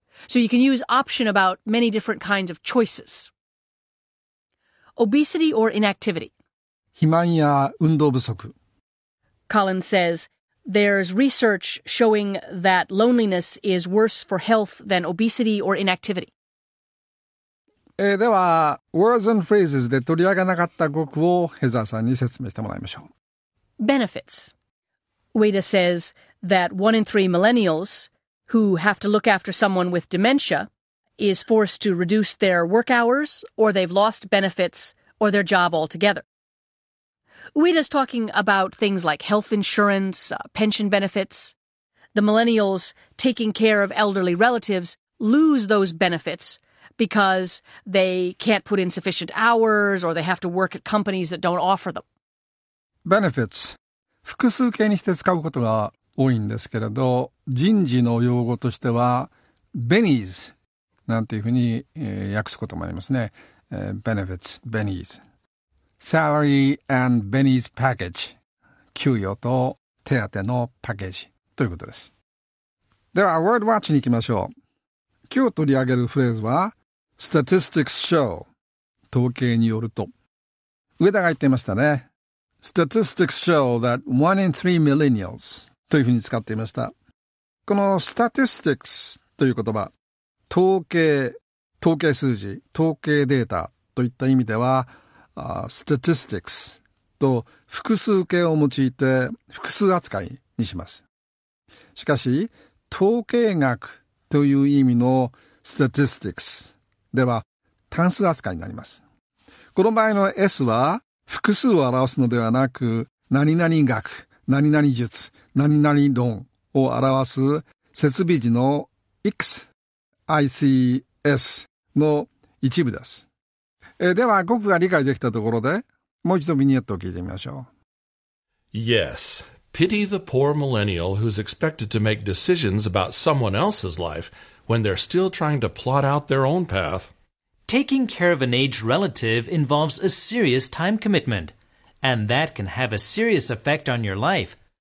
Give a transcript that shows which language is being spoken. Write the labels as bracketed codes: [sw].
[en] So you can use option about many different kinds of choices. Obesity or inactivity. [ja] 肥満や運動不足。 [en] Colin says, there's research showing that loneliness is worse for health than obesity or inactivity. [ja] では、 [en] words and phrases [ja] で取り上げなかった語句をヘザーさんに説明してもらいましょう。 [en] Benefits. Ueda says that one in three millennials who have to look after someone with dementia is forced to reduce their work hours or they've lost benefits or their job altogether. Uina's talking about things like health insurance, pension benefits. The millennials taking care of elderly relatives lose those benefits because they can't put in sufficient hours or they have to work at companies that don't offer them. Benefits. [ja] 複数形にして使うことが多いんですけれど、人事の用語としては、Bennies なんていうふうに、訳すこともありますね。 [en] Benefits, Bennies。 Salary and Bennies Package。 [ja] 給与と手当のパッケージということです。では、 [en] Word Watch [ja] に行きましょう。今日取り上げるフレーズは、 [en] Statistics Show。 [ja] 統計によると。上田が言っていましたね。 [en] Statistics show that one in three millennials [ja] というふうに使っていました。この statistics という言葉、統計数字、統計データといった意味では、statistics と複数形を用いて複数扱いにします。しかし、統計学という意味の statistics では単数扱いになります。この場合の S は、複数を表すのではなく、何々学、何々術、何々論を表す設備字の ICS の一部です。では、語句が理解できたところで、もう一度ビニエットを聞いてみましょう。 [en] Yes, pity the poor millennial who's expected to make decisions about someone else's life when they're still trying to plot out their own path. Taking care of an aged relative involves a serious time commitment, and that can have a serious effect on your life.